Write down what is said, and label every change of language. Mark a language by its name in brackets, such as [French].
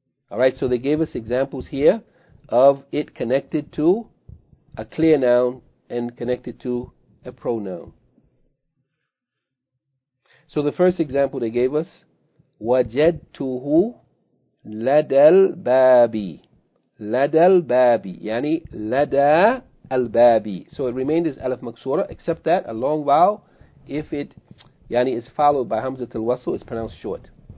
[English] Alright, so they gave us examples here of it connected to a clear noun and connected to a pronoun. So the first example they gave us, [Arabic] وجدته لدى الباب. لدى الباب, يعني لدى الباب. [English] So it remained as ألف مكسورة, except that a long vowel, if it يعني is followed by Hamza Til Wasl, is pronounced short.